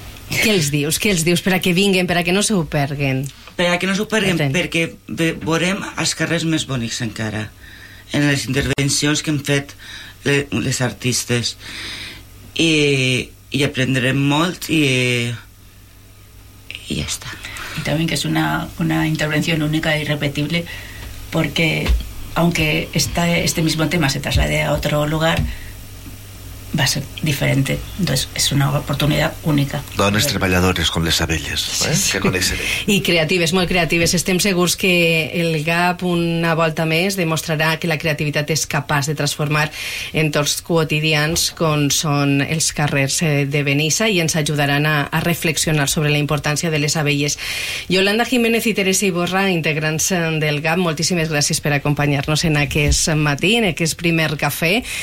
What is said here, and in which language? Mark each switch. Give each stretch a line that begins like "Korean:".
Catalan: Què els dius? Per a que vinguin, per a que no s'ho perguin. Per a que no s'ho perguin, perquè veurem els carrers més bonics encara, en les intervencions que han fet les artistes. I aprendrem molt i ja està.
Spanish: Y también que es una intervención única e irrepetible, porque aunque este mismo tema se traslade a otro lugar, va a ser diferente. Entonces, es una oportunidad única.
Catalan: Dones treballadores con les abelles. Sí. I creatives, molt creatives. Estem segurs que el GAP una volta més demostrarà que la creativitat és capaç de transformar entorns quotidians com són els carrers de Benissa i ens ajudaran a reflexionar sobre la importància de les abelles. Yolanda Jiménez i Teresa Iborra, integrants del GAP, moltíssimes gràcies per acompanyar-nos en aquest matí, en aquest primer cafè.